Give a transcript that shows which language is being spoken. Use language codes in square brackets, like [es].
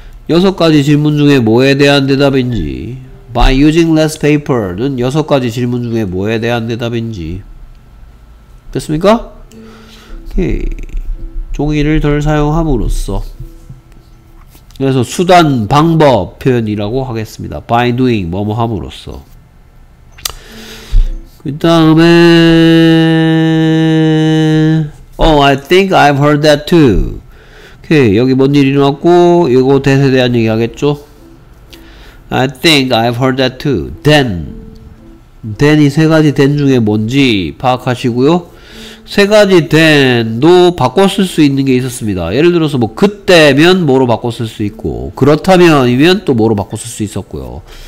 [ko] 여섯 가지 질문 중에 뭐에 대한 대답인지. [en] By using less paper [ko] 는 여섯 가지 질문 중에 뭐에 대한 대답인지. 됐습니까? 오케이. 종이를 덜 사용함으로써. 그래서 수단, 방법 표현이라고 하겠습니다. [en] By doing, [ko] 뭐뭐 함으로써. 그 다음에 [en] Oh, I think I've heard that too. [ko] 오케이, 여기 뭔 일이 일어났고 이거 that에 대한 얘기 하겠죠? [en] I think I've heard that too. Then. Then이 [ko] 세 가지 then 중에 뭔지 파악하시고요. 세 가지 then도 바꿔 쓸 수 있는 게 있었습니다. 예를 들어서 뭐 그때면 뭐로 바꿔 쓸 수 있고 그렇다면이면 또 뭐로 바꿔 쓸 수 있었고요.